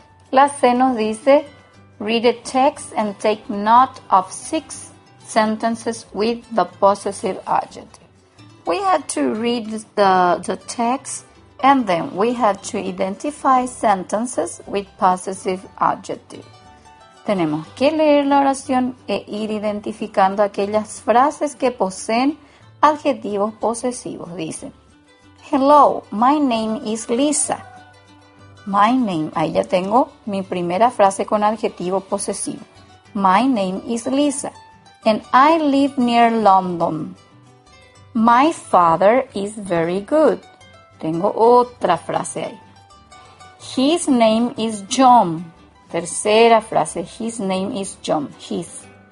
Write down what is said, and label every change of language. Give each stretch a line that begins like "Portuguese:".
Spanish: La C nos dice,
English: read a text and take note of 6 sentences with the possessive adjective. We had to read the text and then we had to identify sentences with possessive adjective.
Spanish: Tenemos que leer la oración e ir identificando aquellas frases que poseen adjetivos posesivos. Dice,
English: hello, my name is Lisa. My name,
Spanish: ahí ya tengo mi primera frase con adjetivo posesivo.
English: My name is Lisa, and I live near London. My father is very good.
Spanish: Tengo otra frase ahí.
English: His name is John.
Spanish: Tercera frase,
English: his name is John, his.